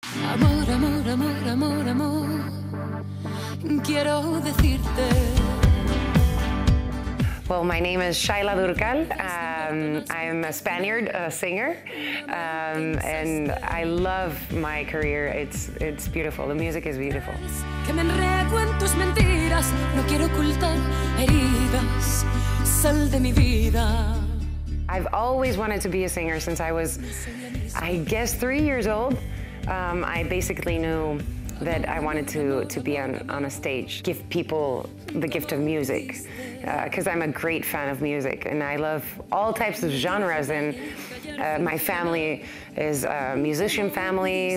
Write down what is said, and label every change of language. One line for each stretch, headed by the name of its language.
Spanish: Amor, amor, amor, amor, amor, quiero decirte.
English: Well, my name is Shaila Durcal. I'm a Spaniard, a singer, and I love my career. It's beautiful. The music is beautiful.
Spanish: Que me enredo en tus mentiras. No quiero ocultar heridas. Sal de mi vida.
English: I've always wanted to be a singer since I was, I guess, 3 years old. I basically knew that I wanted to be on a stage, give people the gift of music, because I'm a great fan of music, and I love all types of genres, and my family is a musician family.